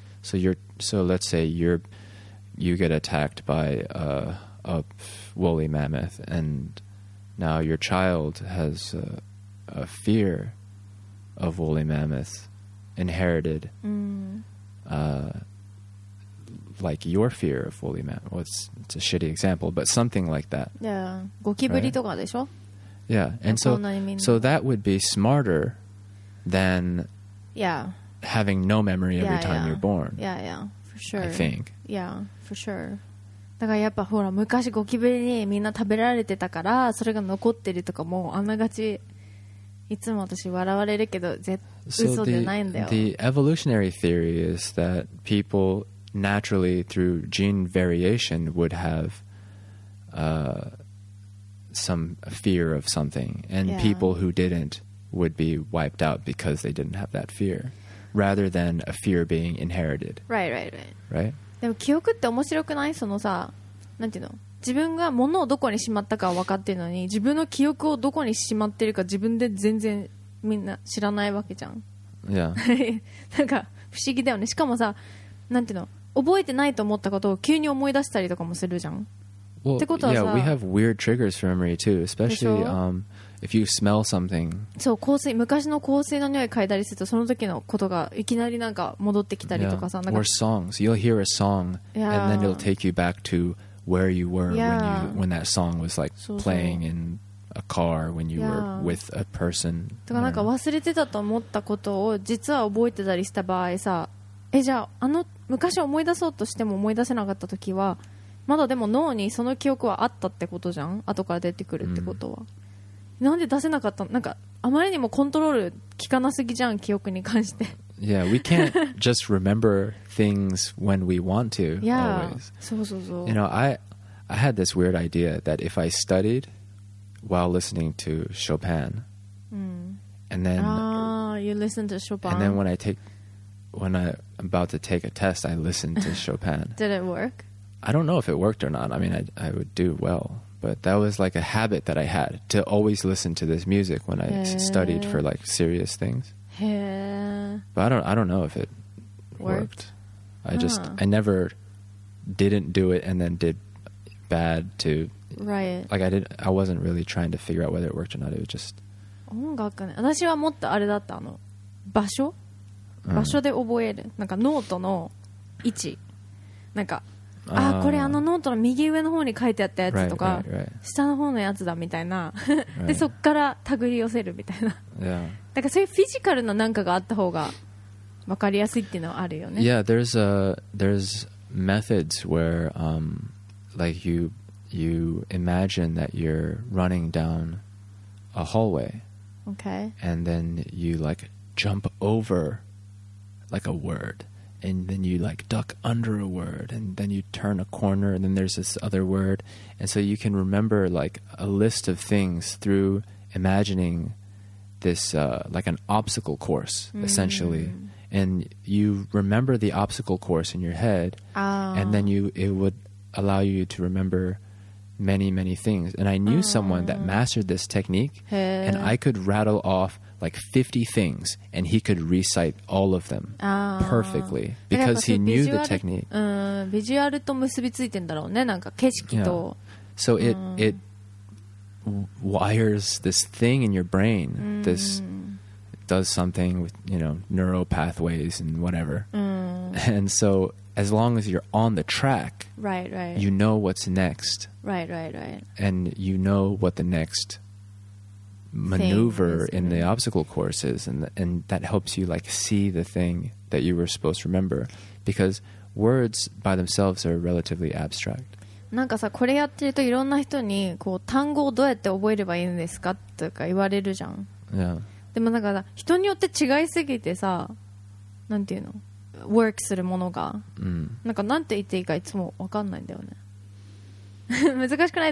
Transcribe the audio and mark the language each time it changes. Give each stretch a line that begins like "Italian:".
English: So let's say you get attacked by a woolly mammoth, and now your child has a fear of woolly mammoth inherited, like your fear of woolly mammoth. Well, it's a shitty example, but something like that. Yeah,
Japanese: ゴキブリとかでしょ?
English: Yeah, and so that would be smarter than having no memory every time you're born. Yeah, yeah, for sure. I think. Yeah, for sure.
Japanese: だからやっぱほら昔ゴキブリにみんな食べられてたからそれが残ってるとかもあんながち。いつも私笑われるけど、嘘じゃないんだよ。
English: The evolutionary theory is that people naturally through gene variation would have some fear of something, and people who didn't would be wiped out because they didn't have that fear, rather than a fear being inherited. Right, right, right. Right?
Japanese: でも記憶って面白くない?そのさ、なんていうの?自分が物をどこにしまったかは分かってるのに自分の記憶をどこにしまってるか自分で全然みんな知らないわけじゃん、
English: yeah.
Japanese: なんか不思議だよね。しかもさ、なんていうの、覚えてないと思ったことを急に思い出したりとかもするじゃん。
English: well,
Japanese: ってことはさ、
English: yeah, we have weird triggers for memory too, especially if you smell something.
Japanese: そう、香水、昔の香水の匂い嗅いだりするとその時のことがいきなりなんか戻ってきたりとかさ、なんか
English: or songs, you'll hear a song and then it'll take you back toWhere you were when that song was like playing in a car when you were with a person.
Japanese: とかなんか忘れてたと思ったことを実は覚えてたりした場合さ、え、じゃあ、あの昔思い出そうとしても思い出せなかった時はまだでも脳にその記憶はあったってことじゃん、後から出てくるってことは、うん、なんで出せなかったの、なんかあまりにもコントロール効かなすぎじゃん記憶に関して。
English: Yeah, we can't just remember things when we want to. Yeah, always.
Japanese: そうそうそう。
English: You know, I had this weird idea that if I studied while listening to Chopin, and then you listen to Chopin, and then when I'm about to take a test, I listen to Chopin. Did it work? I don't know if it worked or not. I mean, I would do well, but that was like a habit that I had to always listen to this music when I studied for like serious things. But I don't know if it worked. I just I never didn't do it and then did bad to right. Like I wasn't really trying to figure out whether it worked or not. It was just.
Japanese: 音楽ね。私はもっとあれだったあの場所、場所で覚える、なんかノートの位置、なんかあこれあのノートの右上の方に書いてあったやつとか下の方のやつだみたいなでそっから手繰り寄せるみたいな。
English: Yeah.
Japanese: なんかそういうフィジカルななんかがあった方が分かりやすいっていうのはあるよね。
English: Yeah, there's methods where like you imagine that you're running down a hallway. Okay. And then you like jump over like a word, and then you like duck under a word, and then you turn a corner, and then there's this other word, and so you can remember like a list of things through imagining. This like an obstacle course essentially, and you remember the obstacle course in your head, and then it would allow you to remember many many things. And I knew someone that mastered this technique, and I could rattle off like 50 things, and he could recite all of them perfectly because he knew the technique.
Japanese: ビジュアルと結びついてんだろうね、なんか景色と。
English: Yeah. So it. Wires this thing in your brain. This does something with, you know, neural pathways and whatever. And so, as long as you're on the track, right, right, you know what's next, right, right, right, and you know what the next maneuver in the obstacle course is, and that helps you like see the thing that you were supposed to remember, because words by themselves are relatively abstract.
Japanese: なんかさ、これやってるといろんな人にこう単語をどうやって覚えればいいんですかとか言われるじゃん、
English: yeah.
Japanese: でもなんか人によって違いすぎてさ、なんていうの、 work するものが、なんかなんて言っていいかいつも分かんないんだよね難しくない？